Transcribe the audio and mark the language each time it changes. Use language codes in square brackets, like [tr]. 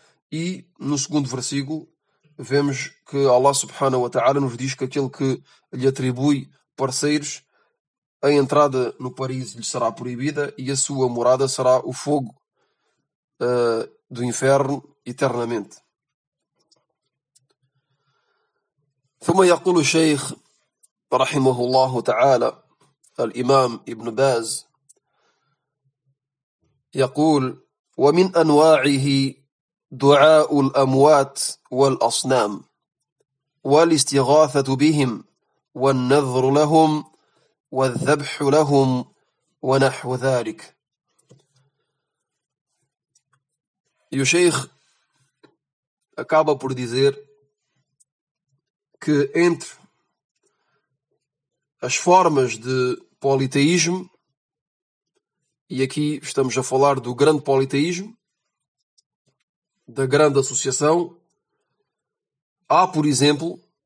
[pt] E no segundo versículo vemos que Allah subhanahu wa ta'ala nos diz que aquele que lhe atribui parceiros, a entrada no paraíso lhe será proibida e a sua morada será o fogo do inferno eternamente. [ar] ثم يقول الشيخ رحمه الله تعالى الإمام ابن باز يقول ومن أنواعه دعاء الأموات والأصنام والاستغاثة بهم والنذر لهم والذبح لهم ونحو ذلك. [pt] يشيخ أكاب por dizer que entre as formas de politeísmo, e aqui estamos a falar do grande politeísmo, da grande associação, há, por exemplo,